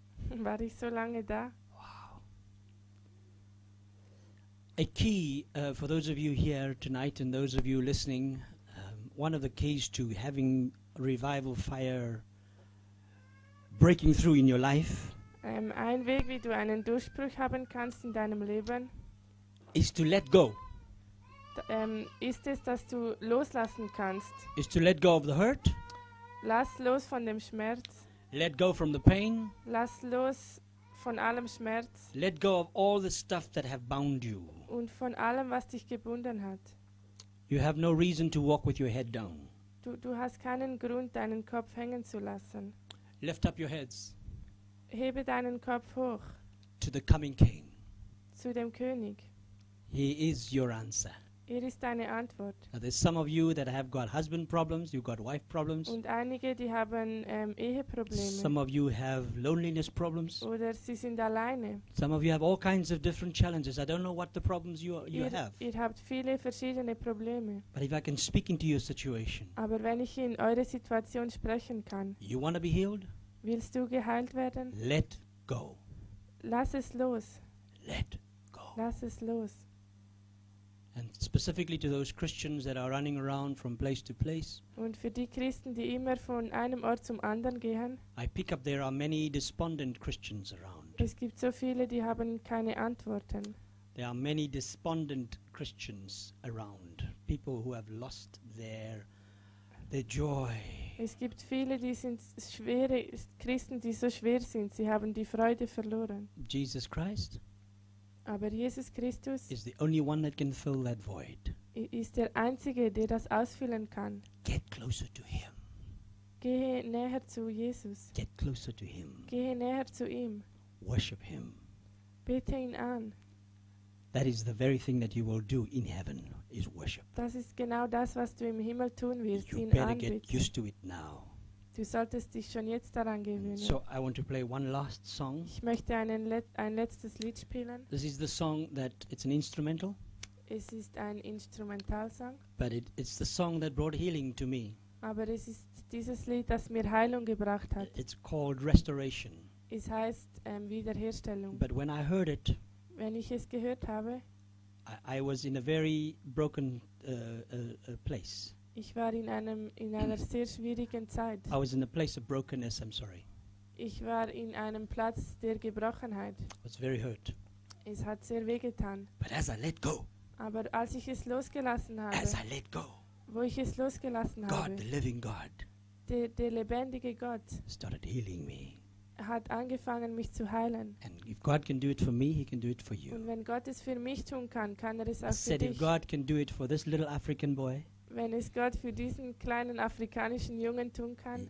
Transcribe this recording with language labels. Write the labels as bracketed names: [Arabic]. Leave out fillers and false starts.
[German] War ich so lange da? [English] A key for those of you here tonight and those of you listening, one of the keys to having revival fire breaking through in your life, [German] ein Weg, wie du einen Durchbruch haben kannst in deinem Leben, [English] is to let go. [German] Ist es, dass du loslassen kannst. [English] Is to let go of the hurt. [German] Lass los von dem Schmerz. [English] Let go from the pain. [German] Lass los von allem Schmerz. [English] Let go of all the stuff that have bound you. [German] Und von allem, was dich gebunden hat. [English] You have no reason to walk with your head down. [German] Du hast keinen Grund, deinen Kopf hängen zu lassen. [English] Lift up your heads. [German] Hebe deinen Kopf hoch. [English] To the coming King. [German] Zu dem König. [English] He is your answer. [German] Er ist deine Antwort. [English] Now there's some of you that have got husband problems, you've got wife problems. [German] Und einige, die haben Eheprobleme. [English] Some of you have loneliness problems. [German] Oder sie sind alleine. [English] Some of you have all kinds of different challenges. I don't know what the problems you have. [German] Ihr habt viele verschiedene Probleme. [English] But if I can speak into your situation. [German] Aber wenn ich in eure Situation sprechen kann. [English] You want to be healed? [German] Willst du geheilt werden? [English] Let go. [German] Lass es los. [English] Let go. [German] Lass es los. [English] And specifically to those Christians that are running around from place to place. [German] Und für die Christen, die immer von einem Ort zum anderen gehen. [English] I pick up there are many despondent Christians around. Es gibt so viele, die haben keine Antworten. There are many despondent Christians around. People who have lost their joy. [German] Es gibt viele, die sind schwere Christen, die so schwer sind. Sie haben die Freude verloren. [English] Jesus Christ. [German] Aber Jesus Christus [English] is the only one that can fill that void. [German] Ist der Einzige, der das ausfüllen kann. [English] Get closer to him. [German] Gehe näher zu Jesus. [English] Get closer to him. [German] Gehe näher zu ihm. [English] Worship him. [German] Bete ihn an. [English] That is the very thing that you will do in heaven, is worship. [German] Das ist genau das, was du im Himmel tun wirst, ihn anbeten. [English] You better get used to it now. [German] Du solltest dich schon jetzt daran gewöhnen. [English] So I want to play one last song. [German] Ich möchte ein letztes Lied spielen. [English] This is the song that it's an instrumental. [German] Es ist ein Instrumentalsong. [English] But it's the song that brought healing to me. [German] Aber es ist dieses Lied, das mir Heilung gebracht hat. [English] It's called Restoration. [German] Es heißt Wiederherstellung. [English] But when I heard it, [German] wenn ich es gehört habe, [English] I was in a very broken place. [German] Ich war in einer sehr schwierigen Zeit. [English] I was in a place of brokenness, I'm sorry. [German] Ich war in einem Platz der Gebrochenheit. [English] It was very hurt. [German] Es hat sehr weh getan. [English] But as I let go. [German] Aber als ich es losgelassen habe. [English] As I let go. [German] Wo ich es losgelassen [English] God, [German] habe. [English] God, the living God. [German] Der lebendige Gott. [English] Started healing me. [German] Hat angefangen mich zu heilen. [English] And if God can do it for me, he can do it for you. [German] Und wenn Gott es für mich tun kann, kann er es auch [English] said, [German] für dich. [English] Said if God can do it for this little African boy. [German] Wenn es Gott für diesen kleinen afrikanischen Jungen tun kann.